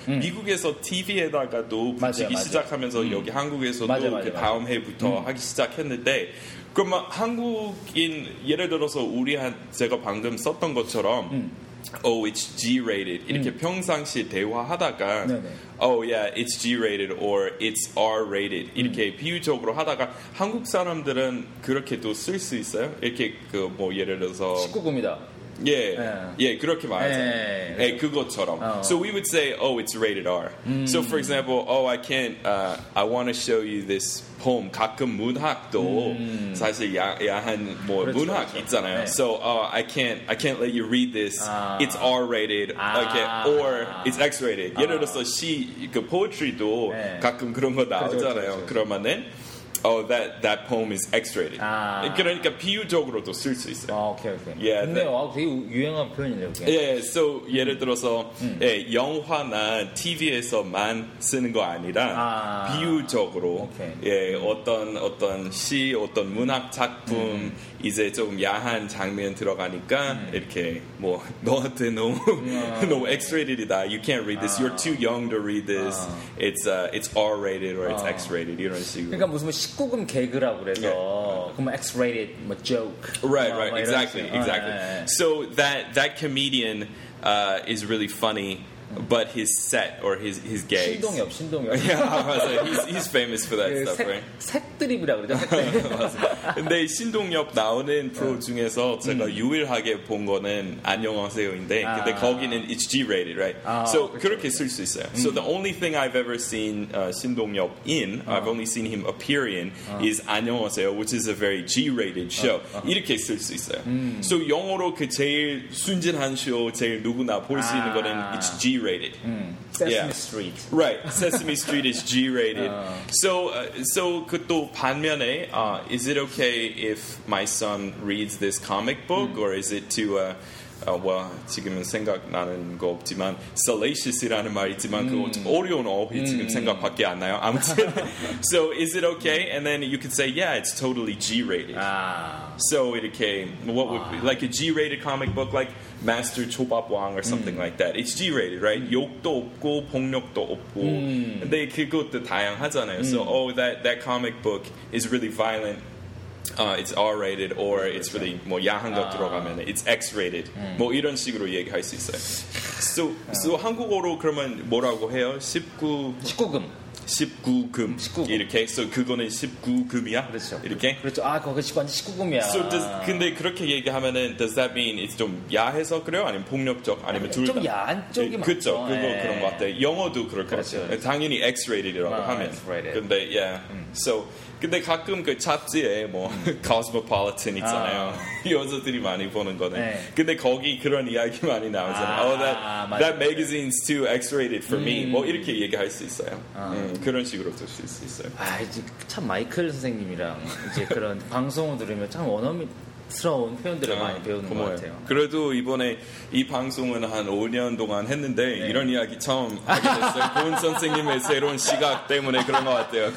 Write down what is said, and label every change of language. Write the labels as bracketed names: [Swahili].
[Korean] 미국에서 TV에다가도 붙이기 시작하면서 여기 한국에서도 그 다음 해부터 하기 시작했는데. 그러면 한국인 예를 들어서 제가 방금 썼던 것처럼. [English] Oh, it's G-rated. [Korean] 이렇게 평상시 대화하다가 네네. [English] Oh, yeah, it's G-rated or it's R-rated. [Korean] 이렇게 비유적으로 하다가 한국 사람들은 그렇게도 쓸 수 있어요? 이렇게 그 뭐 예를 들어서 19금이다. 예, 예, 예, 그렇게 말하잖아요. 예, 예, 그것처럼. [English] 어. So we would say, oh, it's rated R. So for example, oh, I can't, I want to show you this poem. [Korean] 가끔 문학도 사실 야한 뭐 그렇죠, 문학 그렇죠. 있잖아요. [English] 네. So I can't let you read this. 아. It's R-rated. 아. Okay, or it's X-rated. 아. [Korean] 예를 들어서 시, 그 poetry도 네. 가끔 그런 거 나오잖아요. 그렇죠. 그러면은 [English] Oh, that poem is X-rated. 아. [Korean] 그러니까 비유적으로도 쓸 수 있어요. 아, 오케이, 오케이. [English] Yeah, [Korean] 근데 와, 되게 유행한 표현이네요. 예, yeah, so 예를 들어서 예, 영화나 TV에서만 쓰는 거 아니라 아. 비유적으로 오케이. 예, 어떤 시, 어떤 문학 작품 이제 조금 야한 장면 들어가니까 이렇게 뭐 너한테 너무 너무 X-rated이다. [English] You can't read this. 아. You're too young to read this. 아. It's R-rated or it's 아. X-rated. [Korean] 이런 식으로. 그러니까 무슨 19금 개그라고 그래서 그럼 X-rated 뭐 joke. [English] Right, right. Exactly. 아, 네. So that comedian is really funny. But his set or his gags. [Korean] 신동엽. [English] Yeah, so he's famous for that 그 stuff, right? [Korean] 색드립이라고 그러죠. 근데 신동엽 나오는 프로 중에서 제가 유일하게 본 거는 안녕하세요인데, 아. 근데 거기는 [English] it's G-rated, right? 아, [Korean] so 그렇게 쓸 수 있어요. [English] So the only thing I've ever seen 신동엽 in, I've only seen him appear in, is 안녕하세요, which is a very G-rated show. [Korean] 이렇게 쓸 수 있어요. So 영어로 그 제일 순진한 쇼, 제일 누구나 볼 수 있는 거는 [English] it's G-rated. Sesame Street. Right. Sesame Street is G-rated. So 그 또 반면에 is it okay if my son reads this comic book or is it to [Korean] 와 지금은 생각나는 거 없지만 salacious이라는 말 있지만 그 어려운 어휘 지금 생각밖에 안 나요. [English] 아무튼 So is it okay? And then you could say yeah, it's totally G-rated. 아. So 이렇게 what would be like a G-rated comic book like Master 초밥왕 or something like that. It's G-rated, right? [Korean] 욕도 없고 폭력도 없고. 근데 그것도 다양하잖아요. [English] So that comic book is really violent. It's R-rated or it's really [Korean] 뭐 야한 거 들어가면 [English] it's X-rated. [Korean] 뭐 이런 식으로 얘기할 수 있어요. So 한국어로 그러면 뭐라고 해요? 19금. 이렇게 so 그거는 19금이야? 그렇죠. 이렇게? 그렇죠. 아, 그거 시간 19금이야. So does 근데 그렇게 얘기하면은 [English] does that mean it's [Korean] 좀 야해서 그래요? 아니면 폭력적? 아니면 둘 다? 좀 야한 쪽이 맞죠. 그렇죠. 그거 그런 것 같아요. 영어도 그럴 것 같아요. 그렇죠. 당연히 X-rated이라고 하면. X-rated. 근데 yeah. So 근데 가끔 그 잡지에 뭐 Cosmopolitan 있잖아요. 여자들이 많이 보는 거는. 네. 근데 거기 그런 이야기 많이 나오잖아요. [English] Oh, that magazine's too X-rated for me. [Korean] 뭐 이렇게 얘기할 수 있어요. 그런 식으로 쓸 수 있어요. 아, 이제 참 마이클 선생님이랑 이제 그런 방송을 들으면 참 원어민 새로운 표현들을 많이 배우는 고마워요. 것 같아요. 그래도 이번에 이 방송은 한 5년 동안 했는데 네. 이런 이야기 처음 하게 됐어요. 고은 선생님의 새로운 시각 때문에 그런 것 같아요.